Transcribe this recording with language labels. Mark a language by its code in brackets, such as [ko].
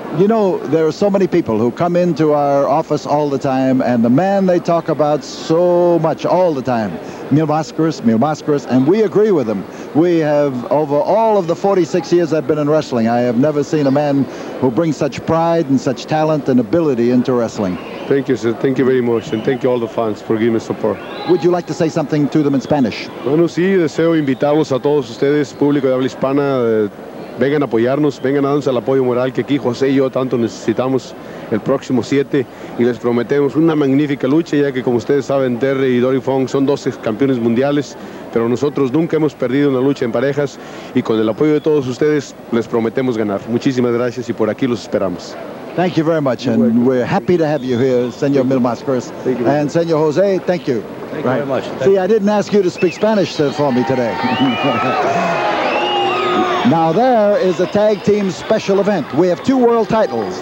[en] You know, there are so many people who come into our office all the time, and the man they talk about so much all the time, Mil Máscaras, and we agree with him. We have, over all of the 46 years I've been in wrestling, I have never seen a man who brings such pride and such talent and ability into wrestling. Thank you, sir. Thank you very much, and thank you all the fans for giving me support. Would you like to say something to them in Spanish? [es] Bueno, sí, deseo invitarlos a todos ustedes, público de habla hispana, vengan a apoyarnos, vengan a darnos el apoyo moral que aquí José y yo tanto necesitamos el próximo 7, y les prometemos una magnífica lucha, ya que como ustedes saben, Terry y Dory Funk son 12 campeones mundiales, pero nosotros nunca hemos perdido una lucha en parejas, y con el apoyo de todos ustedes, les prometemos ganar. Muchísimas gracias, y por aquí los esperamos. [en] Thank you very much, and we're happy to have you here, Señor Mil Máscaras, and Señor José, thank you. Thank you very much. See, I didn't ask you to speak Spanish for me today. Now there is a tag team special event. We have two world titles.